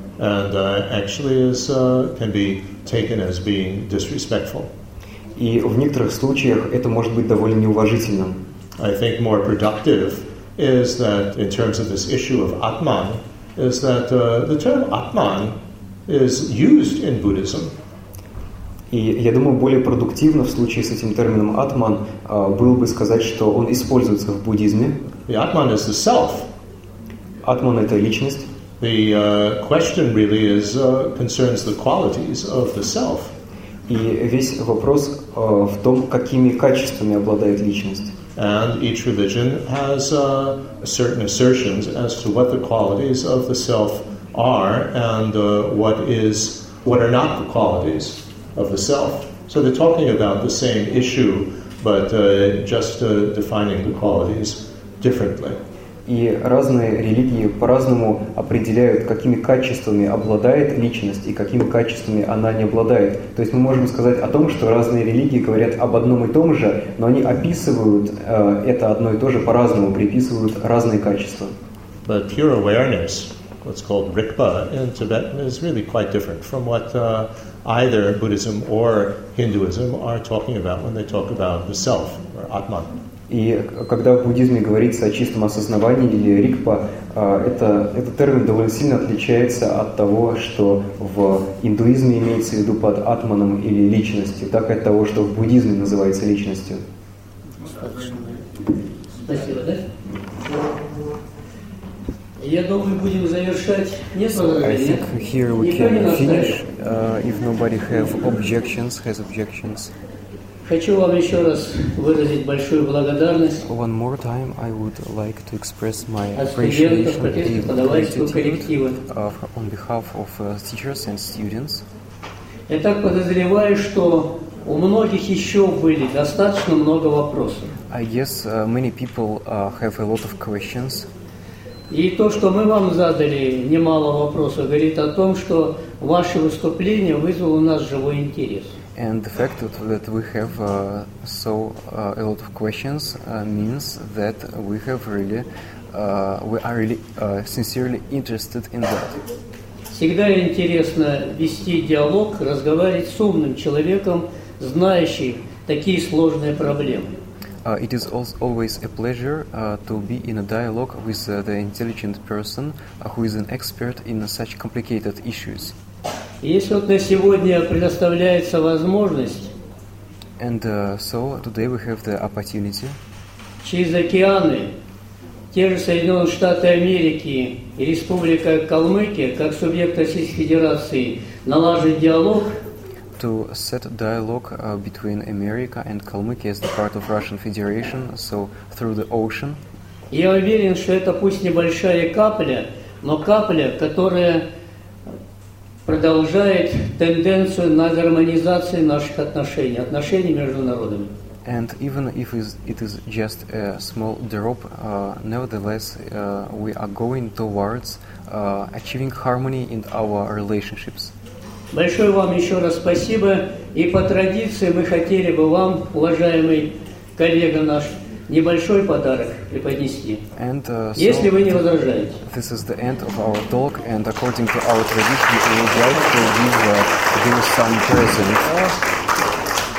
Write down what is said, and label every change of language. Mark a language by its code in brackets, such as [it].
[en] And, actually is, can be taken as being disrespectful. [ru] И в некоторых случаях это может быть довольно неуважительным. [en] I think more productive is that, in terms of this issue of Atman, is that the term Atman is used in Buddhism. [ru] И я думаю, более продуктивно в случае с этим термином «атман» было бы сказать, что он используется в буддизме. [en] The atman is the self. [ru] Атман – это личность. [en] The question really is, concerns the qualities of the self. [ru] И весь вопрос в том, какими качествами обладает личность. [en] And each religion has certain assertions as to what the qualities of the self are and what are not the qualities of the self. So they're talking about the same issue, but defining the qualities differently. [ru] И разные религии по-разному определяют, какими качествами обладает личность и какими качествами она не обладает. То есть мы можем сказать о том, что разные религии говорят об одном и том же, но они описывают это одно и то же по-разному, приписывают разные качества. [en] But pure awareness, what's called rikpa in Tibetan, is really quite different from what either Buddhism or Hinduism are talking about when they talk about the self or Atman. [ru] И когда в буддизме говорится о чистом осознавании или рикпа, этот термин довольно сильно отличается от того, что в индуизме имеется в виду под Атманом или личностью, так и от того, что в буддизме называется личностью. Я думаю, будем завершать. [en] I think here we can finish if nobody has objections. [ru] Хочу вам еще раз выразить большую благодарность. [en] One more time, I would like to express my appreciation and gratitude on behalf of teachers and students. [ru] Я так подозреваю, что у многих еще были достаточно много вопросов. [en] I guess many people have a lot of questions. [ru] И то, что мы вам задали немало вопросов, говорит о том, что ваше выступление вызвало у нас живой интерес. [en] And the fact that we have a lot of questions means that we have really, we are really sincerely interested in that. [ru] Всегда интересно вести диалог, разговаривать с умным человеком, знающим такие сложные проблемы. [en] It is always a pleasure to be in a dialogue with the intelligent person who is an expert in such complicated issues. [ru] Если вот на сегодня предоставляется возможность, [en] and so today we have the opportunity. [ru] Через океаны, те же Соединенные Штаты Америки и Республика Калмыкия как субъект Российской Федерации налаживать диалог. [en] To set dialogue between America and Kalmykia as the part of Russian Federation, so through the ocean. [ru] Я уверен, что это пусть небольшая капля, но капля, которая продолжает тенденцию на гармонизацию наших отношений, отношений между народами. [en] And even if it is just a small drop, nevertheless, we are going towards achieving harmony in our relationships. [ru] Большое вам еще раз спасибо. И по традиции мы хотели бы вам, уважаемый коллега наш, небольшой подарок преподнести. [en] And, [ru] если вы не возражаете. [en] This is the end of our talk, and according to our tradition, we would like to give some presents.